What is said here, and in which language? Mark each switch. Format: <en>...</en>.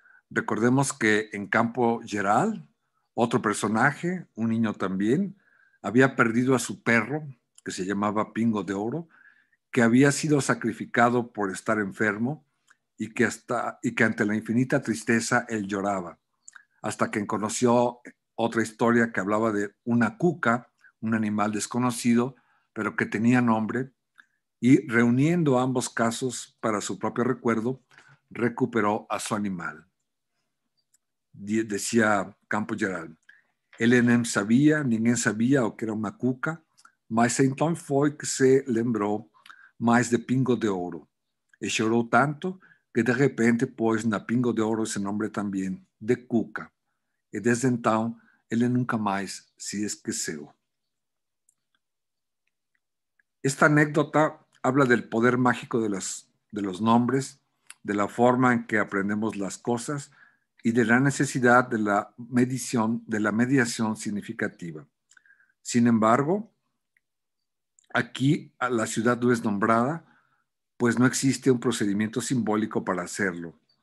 <es>Recordemos que en Campo Gerald, otro personaje, un niño también, había perdido a su perro, que se llamaba Pingo de Oro, que había sido sacrificado por estar enfermo y que ante la infinita tristeza él lloraba, hasta que conoció otra historia que hablaba de una cuca, un animal desconocido, pero que tenía nombre, y reuniendo ambos casos para su propio recuerdo, recuperó a su animal. Decía Campo Gerald:</es> <pt>ele nem sabia, ninguém sabia o que era uma cuca, mas então foi que se lembrou mais de Pingo de Ouro. E chorou tanto que de repente pôs na Pingo de Ouro esse nome também, de Cuca. E desde então, ele nunca mais se esqueceu.</pt> <es>Esta anécdota habla del poder mágico de los nombres, de la forma en que aprendemos las cosas y de la necesidad de la mediación significativa. Sin embargo, aquí la ciudad no es nombrada, pues no existe un procedimiento simbólico para hacerlo.</es>